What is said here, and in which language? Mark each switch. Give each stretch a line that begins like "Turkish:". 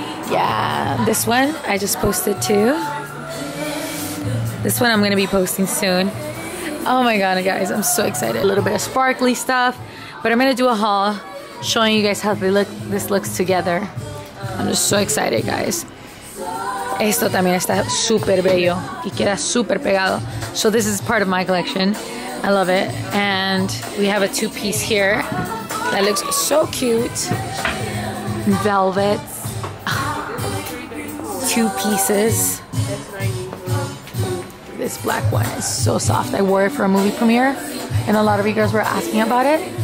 English: Yeah, this one I just posted too. This one I'm gonna be posting soon. Oh my god, guys, I'm so excited. A little bit of sparkly stuff, but I'm gonna do a haul showing you guys how they look. This looks together. I'm just so excited, guys.
Spanish: Esto también está super bello y queda super pegado.
English: So this is part of my collection. I love it. And we have a two-piece here that looks so cute. Velvet. Two pieces. This black one is so soft. I wore it for a movie premiere and a lot of you girls were asking about it.